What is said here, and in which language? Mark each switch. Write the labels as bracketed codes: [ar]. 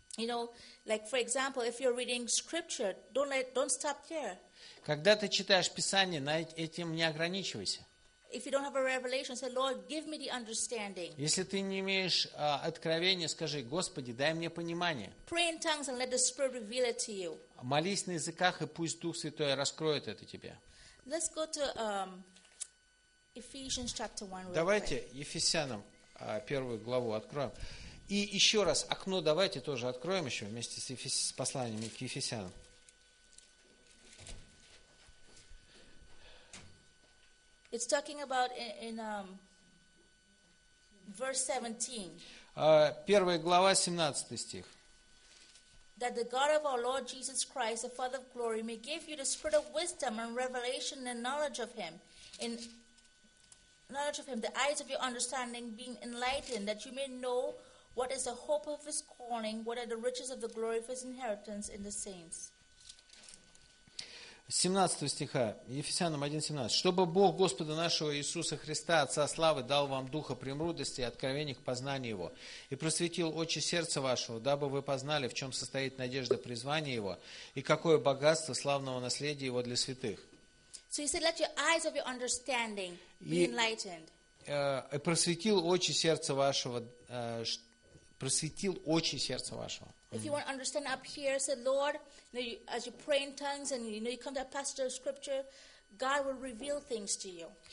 [en] You know, like for example, if you're reading scripture, don't stop there. [ru] Когда ты читаешь Писание, этим не ограничивайся. [en] If you don't have a revelation, say, Lord, give me the understanding. [ru] Если ты не имеешь откровения, скажи, Господи, дай мне понимание. [en] Pray in tongues and let the Spirit reveal it to you. [ru] Молись на языках, и пусть Дух Святой раскроет это тебе. [en] Let's go to Ephesians chapter 1. [ru] Давайте Ефесянам первую главу откроем. И еще раз, окно давайте тоже откроем еще вместе с посланием к Ефесянам. [en] It's talking about in verse 17. [ru] Первая глава, 17 стих. [en] That the God of our Lord Jesus Christ, the Father of glory, may give you the spirit of wisdom and revelation and knowledge of Him. In knowledge of Him, the eyes of your understanding being enlightened, that you may know what is the hope of His calling, what are the riches of the glory of His inheritance in the saints. [ru] 17 стиха, Ефесянам 1:17. «Чтобы Бог Господа нашего Иисуса Христа, Отца Славы, дал вам духа премудрости и откровения к познанию Его, и просветил очи сердца вашего, дабы вы познали, в чем состоит надежда призвания Его, и какое богатство славного наследия Его для святых». [en] So he said, let your eyes of your understanding be enlightened. [ru] «И просветил очи сердца вашего». Просветил очи сердца вашего. [en] If you want to understand up here, say, Lord, you know, as you pray in tongues and you know you come to a passage of scripture, God will reveal things to you.